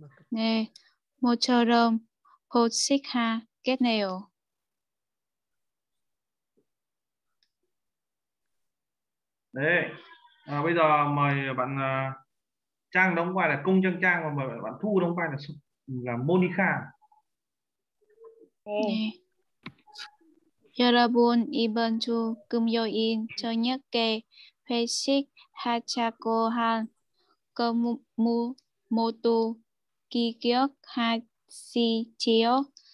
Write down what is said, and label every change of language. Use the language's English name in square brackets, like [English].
[Korean] 네 모처럼 보식하겠네요 [Vietnamese] 네 à, bây giờ mời bạn Trang đóng vai là Công Trang Trang và mời bạn Thu đóng vai là Monica [Korean] 네 여러분 이번 주 금요일 저녁에 회식 하자고 한 거무 모두 기억하시지요?